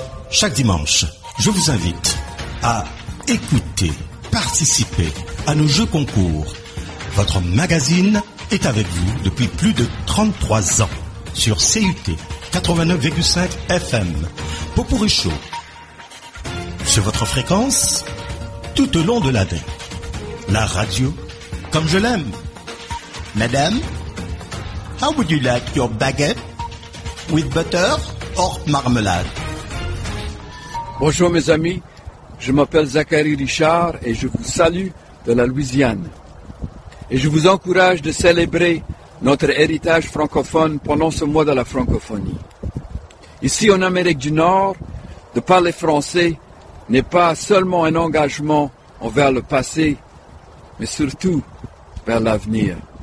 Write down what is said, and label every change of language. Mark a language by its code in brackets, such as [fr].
[fr] Chaque dimanche, je vous invite à écouter, participer à nos jeux concours. Votre magazine est avec vous depuis plus de 33 ans sur CUT 89,5 FM. Potpourri Show, sur votre fréquence, tout au long de l'année. La radio, comme je l'aime. [en] Madame, how would you like your baguette with butter or marmalade? [fr] Bonjour mes amis. Je m'appelle Zachary Richard et je vous salue de la Louisiane. Et je vous encourage de célébrer notre héritage francophone pendant ce mois de la francophonie. Ici en Amérique du Nord, de parler français n'est pas seulement un engagement envers le passé, mais surtout vers l'avenir.